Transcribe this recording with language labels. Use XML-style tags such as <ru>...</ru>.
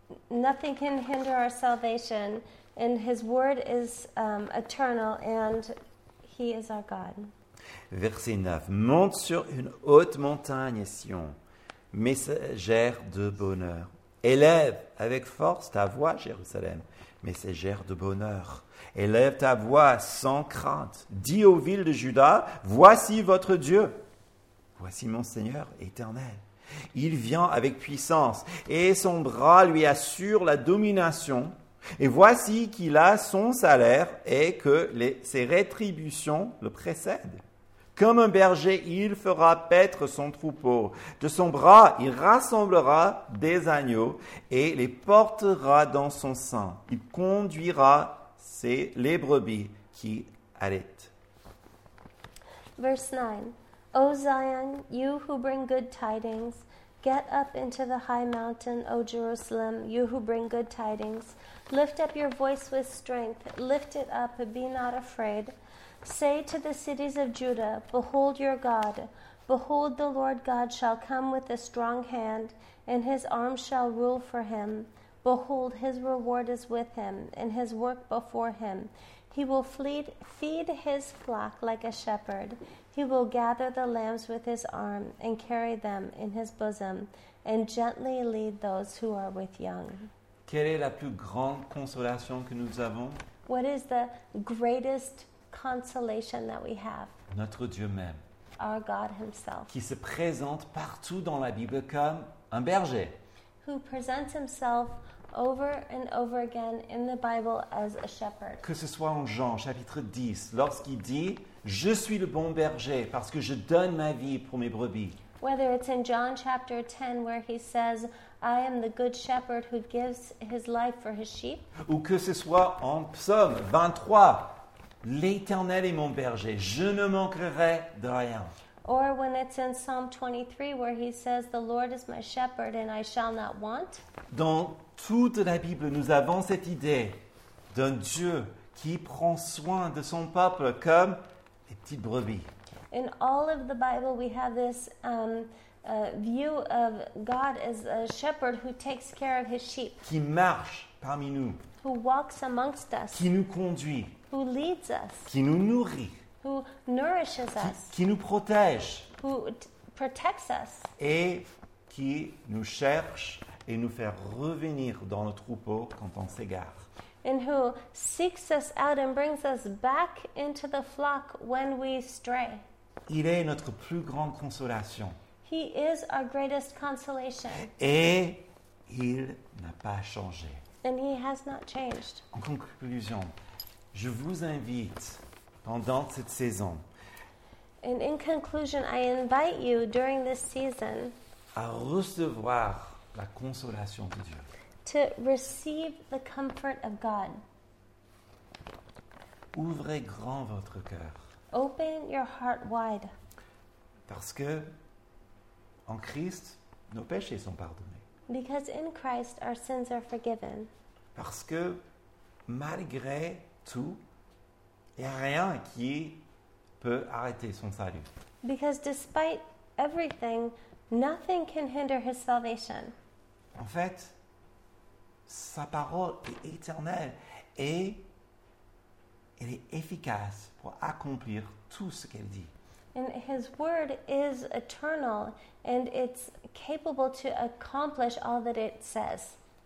<en>Nothing can hinder our salvation, and his word is eternal, and he is our God.</en> <fr>Verset 9. Monte sur une haute montagne, Sion, messagère de bonheur. Élève avec force ta voix, Jérusalem, messagère de bonheur. Élève ta voix sans crainte. Dis aux villes de Juda, voici votre Dieu. Voici mon Seigneur éternel. Il vient avec puissance et son bras lui assure la domination. Et voici qu'il a son salaire et que ses rétributions le précèdent. Comme un berger, il fera paître son troupeau. De son bras, il rassemblera des agneaux et les portera dans son sein. Il conduira les brebis qui allaitent.</fr> <en>Verse 9. O Zion, you who bring good tidings, get up into the high mountain, O Jerusalem, you who bring good tidings. Lift up your voice with strength. Lift it up, be not afraid. Say to the cities of Judah, behold your God. Behold, the Lord God shall come with a strong hand, and his arm shall rule for him. Behold, his reward is with him, and his work before him. He will feed his flock like a shepherd. He will gather the lambs with his arm and carry them in his bosom, and gently lead those who are with young.</en> <fr>Quelle est la plus grande consolation que nous avons?</fr> <en>What is the greatest consolation that we have?</en> <fr>Notre Dieu même.</fr> <en>Our God himself.</en> <fr>Qui se présente partout dans la Bible comme un berger.</fr> <en>Who presents himself over and over again in the Bible as a shepherd.</en> <fr>Que ce soit en Jean chapitre 10, lorsqu'il dit, je suis le bon berger parce que je donne ma vie pour mes brebis.</fr> <en>Whether it's in John chapter 10 where he says, I am the good shepherd who gives his life for his sheep.</en> <fr>Ou que ce soit en Psaume 23, l'Éternel est mon berger, je ne manquerai de rien.</fr> <en>Or when it's in Psalm 23 where he says, the Lord is my shepherd and I shall not want.</en> <fr>Dans toute la Bible, nous avons cette idée d'un Dieu qui prend soin de son peuple comme les petites brebis.</fr> <en>In all of the Bible, we have this view of God as a shepherd who takes care of his sheep.</en> <fr>Qui marche parmi nous.</fr> <en>Who walks amongst us.</en> <fr>Qui nous conduit.</fr> <en>Who leads us.</en> <fr>Qui nous nourrit.</fr> <en>Who nourishes us.</en> <fr>Qui nous protège.</fr> <en>Who protects us.</en> <fr>Et qui nous cherche et nous fait revenir dans le troupeau quand on s'égare.</fr> <en>And who seeks us out and brings us back into the flock when we stray.</en> <fr>Il est notre plus grande consolation.</fr> <en>He is our greatest consolation.</en> <fr>Et il n'a pas changé.</fr> <en>And he has not changed.</en> <fr>En conclusion, je vous invite pendant cette saison.</fr> <en>And in conclusion, I invite you during this season.</en> <fr>À recevoir la consolation de Dieu.</fr> <en>To receive the comfort of God.</en> <fr>Ouvrez grand votre cœur.</fr> <en>Open your heart wide.</en> <fr>Parce que en Christ, nos péchés sont pardonnés.</fr> <en>Because in Christ, our sins are forgiven.</en> <fr>Parce que malgré tout, il n'y a rien qui peut arrêter son salut.</fr> <en>Because despite everything, nothing can hinder his salvation.</en> <fr>En fait, sa parole est éternelle et elle est efficace pour accomplir tout ce qu'elle dit.</fr> <en>And his word is eternal and it's capable to accomplish all that it says.</en>